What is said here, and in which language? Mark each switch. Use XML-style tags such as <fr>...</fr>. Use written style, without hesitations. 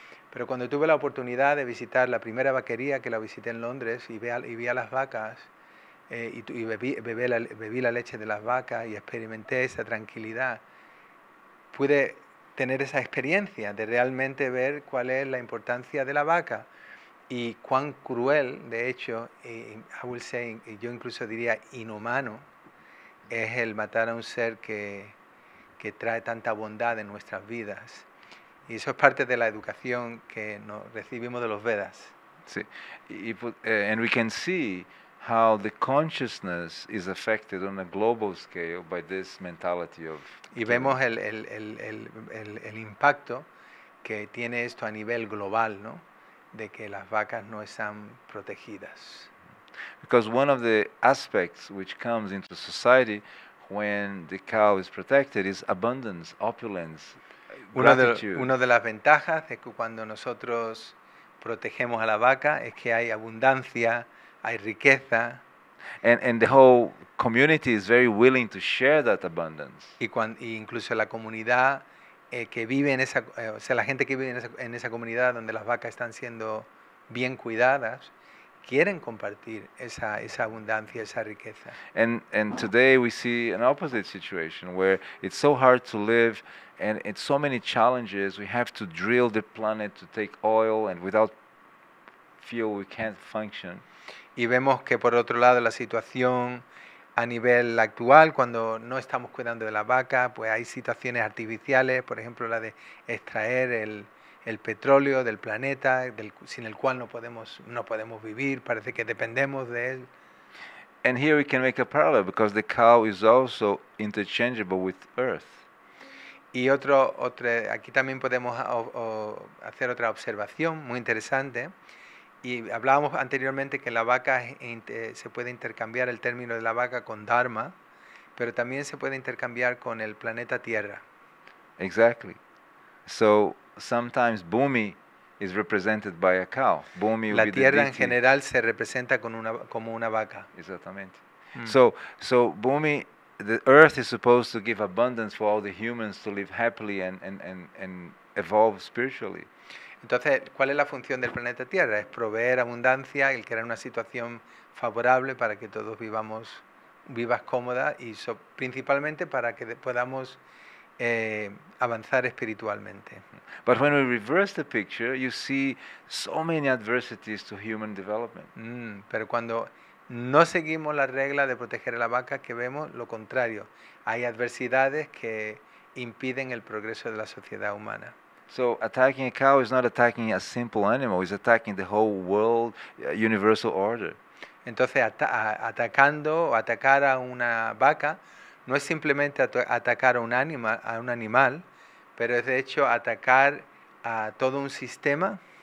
<es>Pero cuando tuve la oportunidad de visitar la primera vaquería, que la visité en Londres, y vi a las vacas, y bebí la leche de las vacas y experimenté esa tranquilidad, pude tener esa experiencia de realmente ver cuál es la importancia de la vaca y cuán cruel, de hecho, yo incluso diría inhumano, es el matar a un ser que trae tanta bondad en nuestras vidas. Y eso es parte de la educación que nos recibimos de los Vedas. Sí.</es> <en>And we can see how the consciousness is affected on a global scale by this mentality of.</en> <es>Y vemos el impacto que tiene esto a nivel global, ¿no? De que las vacas no están protegidas.</es> <en>Because one of the aspects which comes into society when the cow is protected is abundance, opulence.</en> <es>Una de las ventajas es que cuando nosotros protegemos a la vaca es que hay abundancia, hay riqueza.</es> <en>And the whole community is very willing to share that abundance.</en> <es>Incluso la comunidad que vive en esa, o sea, la gente que vive en esa comunidad donde las vacas están siendo bien cuidadas, quieren compartir esa abundancia, esa riqueza.</es> <en>And today we see an opposite situation where it's so hard to live. And it's so many challenges. We have to drill the planet to take oil, and without fuel, we can't function.</en> <es>Y vemos que por otro lado la situación a nivel actual, cuando no estamos cuidando de la vaca, pues hay situaciones artificiales, por ejemplo la de extraer el petróleo del planeta, sin el cual no podemos vivir. Parece que dependemos de él.</es> <en>And here we can make a parallel because the cow is also interchangeable with Earth.</en> <es>Y otro aquí también podemos hacer otra observación muy interesante. Y hablábamos anteriormente que la vaca se puede intercambiar el término de la vaca con Dharma, pero también se puede intercambiar con el planeta Tierra.</es> <en>Exactly. So sometimes Bhumi is represented by a cow. Bhumi</en> <es>la Tierra en general se representa como una vaca. Exactamente.</es> <en>So Bhumi, the Earth is supposed to give abundance for all the humans to live happily and evolve spiritually.</en> <es>Entonces, ¿cuál es la función del planeta Tierra? Es proveer abundancia, el crear una situación favorable para que todos vivas cómoda y principalmente para que podamos avanzar espiritualmente.</es> <en>But when we reverse the picture, you see so many adversities to human development.</en> <es>Pero cuando no seguimos la regla de proteger a la vaca, que vemos lo contrario. Hay adversidades que impiden el progreso de la sociedad humana.</es> <en>So attacking a cow is not attacking a simple animal, it's attacking the whole world, universal order.</en> <es>Entonces, atacando o atacar a una vaca no es simplemente atacar a un animal, pero es de hecho atacar a todo un sistema</es>